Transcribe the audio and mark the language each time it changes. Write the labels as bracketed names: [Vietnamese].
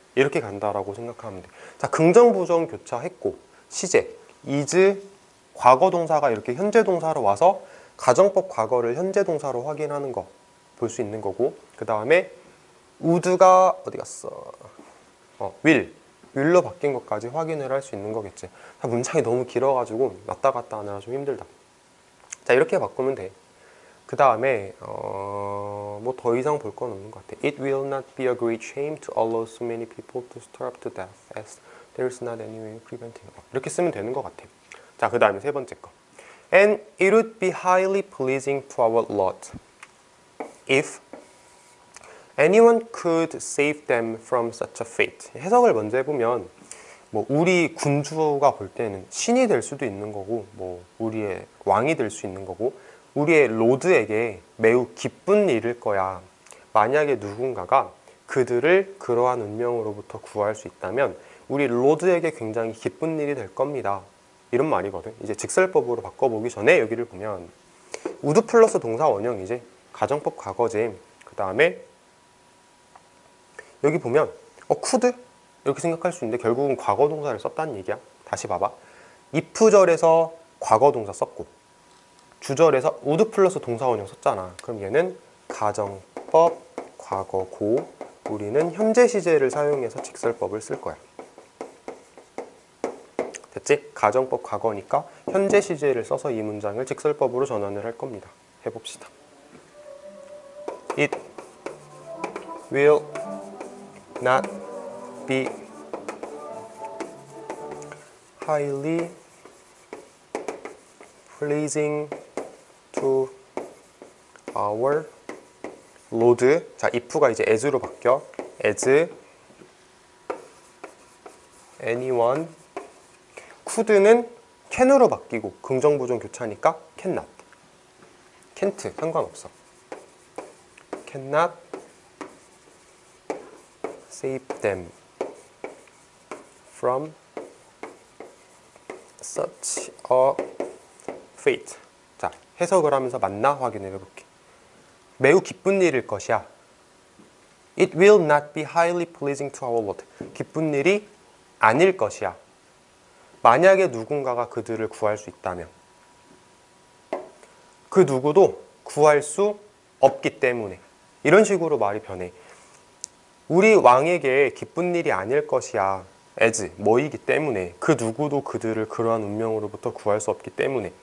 [Korean] 이렇게 간다라고 생각하면 돼. 자, 긍정 부정 교차했고, 시제, is, 과거 동사가 이렇게 현재 동사로 와서 가정법 과거를 현재 동사로 확인하는 거 볼 수 있는 거고, 그 다음에 would가 어디 갔어? will, will로 바뀐 것까지 확인을 할 수 있는 거겠지. 문장이 너무 길어가지고 왔다 갔다 하느라 좀 힘들다. 자, 이렇게 바꾸면 돼. 그 다음에 뭐 더 이상 볼 건 없는 것 같아. [English] It will not be a great shame to allow so many people to starve to death as there is not any way of preventing. [Korean] 이렇게 쓰면 되는 것 같아. 자, 그 다음에 세 번째 거. [English] And it would be highly pleasing to our lot if anyone could save them from such a fate. [Korean] 해석을 먼저 해보면 뭐 우리 군주가 볼 때는 신이 될 수도 있는 거고 뭐 우리의 왕이 될 수 있는 거고 우리의 로드에게 매우 기쁜 일일 거야. 만약에 누군가가 그들을 그러한 운명으로부터 구할 수 있다면 우리 로드에게 굉장히 기쁜 일이 될 겁니다. 이런 말이거든. 이제 직설법으로 바꿔보기 전에 여기를 보면 우드 플러스 동사 원형이지. 가정법 과거지. 그 다음에 여기 보면 쿠드? 이렇게 생각할 수 있는데 결국은 과거 동사를 썼다는 얘기야. 다시 봐봐. 이프절에서 과거 동사 썼고 주절에서 우드 플러스 동사 원형 썼잖아. 그럼 얘는 가정법 과거고 우리는 현재 시제를 사용해서 직설법을 쓸 거야. 됐지? 가정법 과거니까 현재 시제를 써서 이 문장을 직설법으로 전환을 할 겁니다. 해봅시다. [English] It will not be highly pleasing to our lord. [Korean] 자, if가 이제 as로 바뀌어. [English] As anyone. [Korean] could는 can으로 바뀌고 긍정부정 교차니까 cannot, can't 상관없어. [English] cannot save them from such a fate. [Korean] 자, 해석을 하면서 맞나 확인을 해볼게. 매우 기쁜 일일 것이야. [English] It will not be highly pleasing to our lord. [Korean] 기쁜 일이 아닐 것이야. 만약에 누군가가 그들을 구할 수 있다면 그 누구도 구할 수 없기 때문에 이런 식으로 말이 변해. 우리 왕에게 기쁜 일이 아닐 것이야. as 뭐이기 때문에 그 누구도 그들을 그러한 운명으로부터 구할 수 없기 때문에.